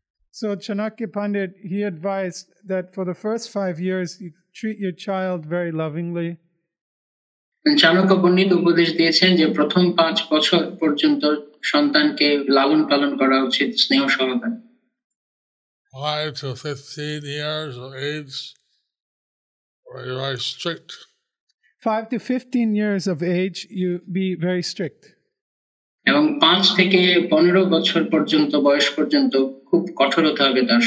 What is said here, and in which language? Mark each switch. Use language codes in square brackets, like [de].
[en] So Chanakya Pandit, he advised that for the first 5 years, you treat your child very lovingly. [bn] চালক পণ্ডিত উপদেশ দিয়েছেন যে প্রথম পাঁচ বছর পর্যন্ত সন্তানকে লালন পালন করা উচিত স্নেহ সহকারে. [en] 5 to 15 years of age, very, very strict. 5 to 15 years of age, you be very strict. [bn] এবং 5 থেকে 15 বছর পর্যন্ত বয়স পর্যন্ত খুব কঠোরতা হবে তার